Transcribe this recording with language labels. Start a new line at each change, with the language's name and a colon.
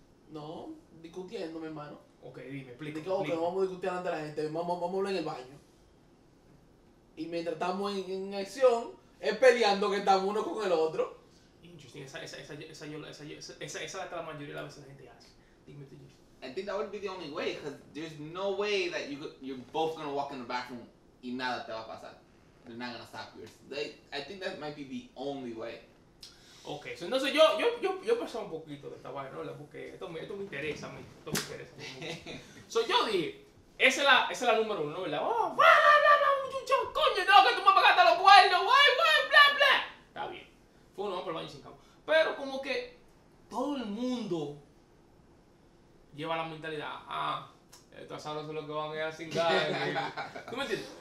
Spanish: No. Discutiendo, mi hermano. Ok, dime, explica. Dice, ok, no vamos a discutir ante la gente, vamos a hablar en el baño. Y mientras estamos en acción, es peleando que estamos uno con el otro. Interesting, esa es la que la mayoría de las veces la gente hace. Dime tú,
English: Jesus. I think that would be the only way, because there's no way that you're both going to walk in the bathroom
Spanish: y nada te va a pasar.
English: They're not going to stop you. I think that might be the only way.
Spanish: Ok, entonces yo pensaba un poquito de esta vaina, porque esto me interesa a mí, esto me interesa a mí. So yo dije, esa es la número uno, ¿verdad? ¡Oh, bla, bla, bla, bla, chucho, coño, no, que tú me pagaste los cuernos, guay, guay, bla, bla! Está bien, fue uno más por el baño sin cabo. Pero como que todo el mundo lleva la mentalidad, esto es algo lo que van a ir a sin cabo. ¿Tú me entiendes?